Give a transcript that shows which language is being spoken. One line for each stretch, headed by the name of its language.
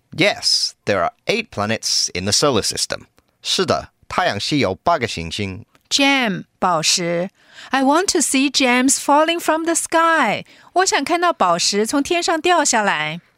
English: Yes, there are 8 planets in the solar system.
Chinese: 是的，太阳系有八个行星。 Gem, 宝石。
English: I want to see gems falling from the sky.
Chinese: 我想看到宝石从天上掉下来。